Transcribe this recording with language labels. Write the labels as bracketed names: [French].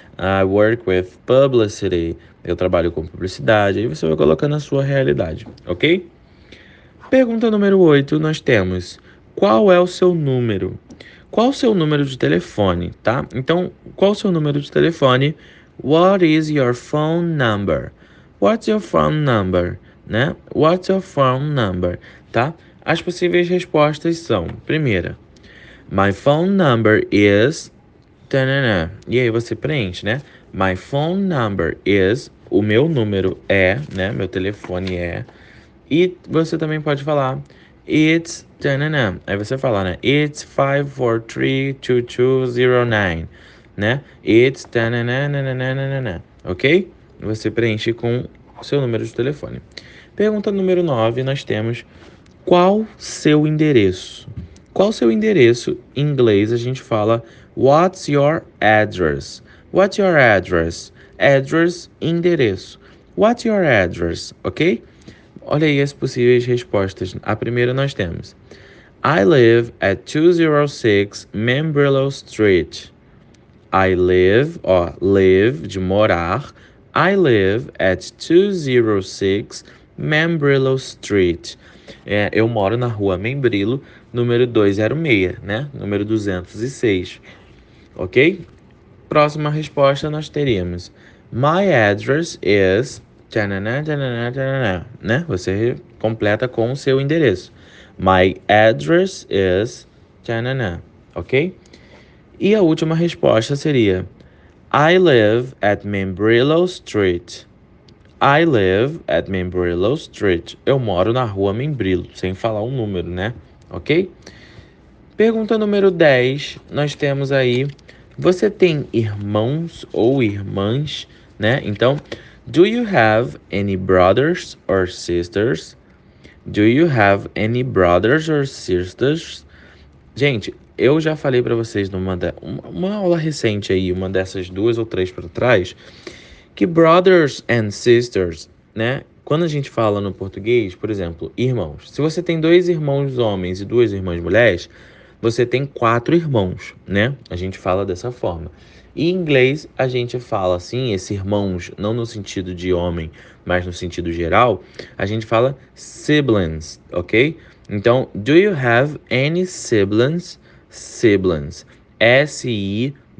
[English] I work with publicity, [Portuguese] eu trabalho com publicidade. Aí você vai colocando a sua realidade, ok? Pergunta número 8, nós temos: qual é o seu número? Qual o seu número de telefone, tá? Então, qual o seu número de telefone? [English] What is your phone number? What's your phone number? Né? What's your phone number? [Portuguese] Tá? As possíveis respostas são: primeira, [English] my phone number is. [Portuguese] Tanana. E aí você preenche, né? [English] My phone number is. [Portuguese] O meu número é, né? Meu telefone é. E você também pode falar: it's. Tanana. Aí você fala, né? It's 5432209, né? [English] It's tananana, ok? [Portuguese] Você preenche com o seu número de telefone. Pergunta número 9, nós temos: qual seu endereço? Qual seu endereço? Em inglês a gente fala: [English] what's your address? What's your address? Address, endereço. What's your address? Ok? [Portuguese] Olha aí as possíveis respostas. A primeira nós temos: [English] I live at 206 Manbrello Street. I live, ó, live de morar. I live at 206 Manbrello Street. [Portuguese] É, eu moro na rua Membrillo, número 206, né? Número 206. Ok? Próxima resposta nós teríamos: [English] My address is. [Portuguese] Tanana, tanana, tanana, né? Você completa com o seu endereço. [English] My address is tanana, ok? [Portuguese] E a última resposta seria: [English] I live at Membrillo Street. I live at Membrillo Street. [Portuguese] Eu moro na rua Membrillo, sem falar um número, né? Ok? Pergunta número 10, nós temos aí: você tem irmãos ou irmãs, né? [English] Então, do you have any brothers or sisters? Do you have any brothers or sisters? [Portuguese] Gente, eu já falei para vocês uma aula recente aí, uma dessas duas ou três para trás, que [English] brothers and sisters, [Portuguese] né? Quando a gente fala no português, por exemplo, irmãos. Se você tem dois irmãos homens e duas irmãs mulheres, você tem quatro irmãos, né? A gente fala dessa forma. E em inglês, a gente fala assim, esses irmãos, não no sentido de homem, mas no sentido geral, a gente fala siblings, ok? [English] Então, do you have any siblings? Siblings. Siblings.